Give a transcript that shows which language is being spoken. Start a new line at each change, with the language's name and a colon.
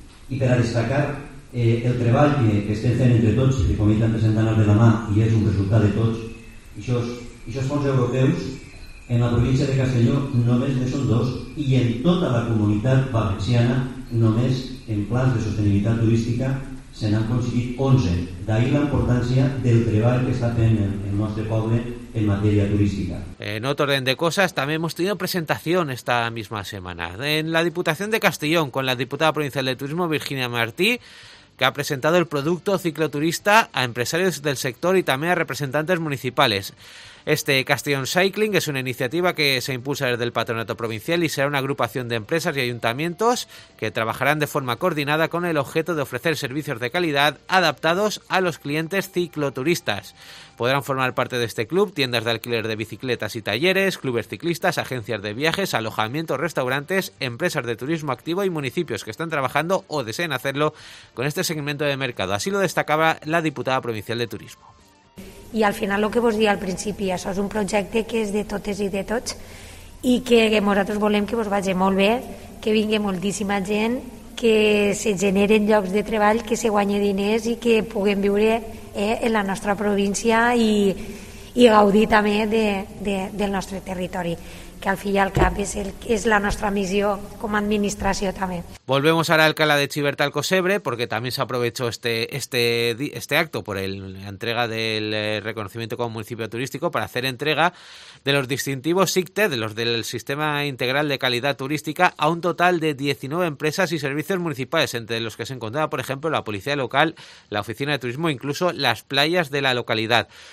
Catalan: I per a destacar el treball que estem fent entre tots, que com ells han presentat de la mà i és un resultat de tots, aquests fons europeus en la província de Castelló només ne són dos i en tota la comunitat valenciana només en plans de sostenibilitat turística se n'han concedit 11. D'ahir la importància del treball que està fent el nostre poble en materia turística.
Spanish: En otro orden de cosas, también hemos tenido presentación esta misma semana en la Diputación de Castellón con la diputada provincial de Turismo, Virginia Martí, que ha presentado el producto cicloturista a empresarios del sector y también a representantes municipales. Este Castellón Cycling es una iniciativa que se impulsa desde el Patronato Provincial y será una agrupación de empresas y ayuntamientos que trabajarán de forma coordinada con el objeto de ofrecer servicios de calidad adaptados a los clientes cicloturistas. Podrán formar parte de este club tiendas de alquiler de bicicletas y talleres, clubes ciclistas, agencias de viajes, alojamientos, restaurantes, empresas de turismo activo y municipios que están trabajando o deseen hacerlo con este segmento de mercado. Así lo destacaba la diputada provincial de Turismo.
Catalan: I al final el que vos dic al principi, això és un projecte que és de totes i de tots i que nosaltres volem que vos vagi molt bé, que vingui moltíssima gent, que se generen llocs de treball, que se guanyi diners i que puguem viure en la nostra província i gaudir també del nostre territori.
Spanish: Que al fin y al cabo es la nuestra misión como administración también. Volvemos ahora a Alcalá de Chiverta Alcosebre, porque también se aprovechó este acto por la entrega del reconocimiento como municipio turístico para hacer entrega de los distintivos SICTE, de los del Sistema Integral de Calidad Turística, a un total de 19 empresas y servicios municipales, entre los que se encontraba, por ejemplo, la Policía Local, la Oficina de Turismo, incluso las playas de la localidad.